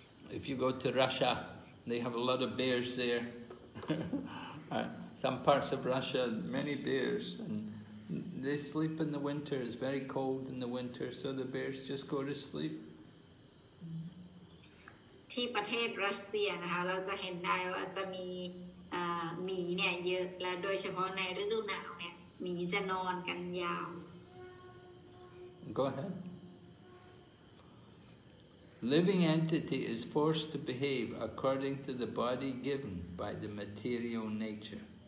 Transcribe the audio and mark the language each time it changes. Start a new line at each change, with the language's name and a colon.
English: If you go to Russia, they have a lot of bears there. Some parts of Russia, many bears, and they sleep in the winter. It's very cold in the winter, so the bears just go to sleep.
Thai: ที่ประเทศรัสเซียนะคะเราจะเห็นได้ว่าจะมีหมีเนี่ยเยอะและโดยเฉพาะในฤดูหนาวเนี่ยหมีจะนอนกันยาว
English: Go ahead. Living entity is forced to behave according to the body given by the material nature.